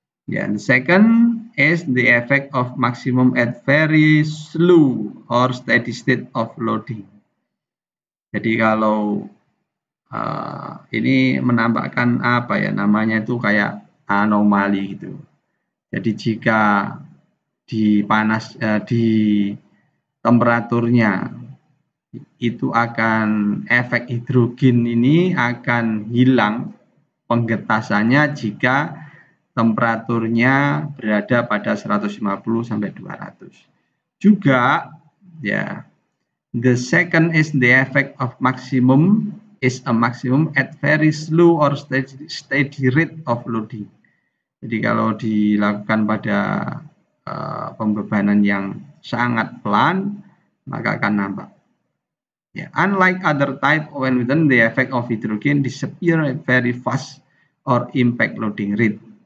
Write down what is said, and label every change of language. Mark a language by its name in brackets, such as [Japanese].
[English] Ya, and second is the effect of maximum at very slow or steady state of loading. [Indonesian] Jadi kalau ini menambahkan apa ya namanya itu kayak anomali gitu. Jadi jika di panas di temperaturnya itu akan efek hidrogen ini akan hilang penggetasannya jika temperaturnya berada pada 150 sampai 200. Juga ya [English] the second is the effect of maximum is a maximum at very slow or steady rate of loading. [Indonesian] Jadi kalau dilakukan pada pembebanan yang sangat pelan maka akan nampak. [English] Ya, unlike other type of embrittlement, the effect of hydrogen disappear at very fast or impact loading rate.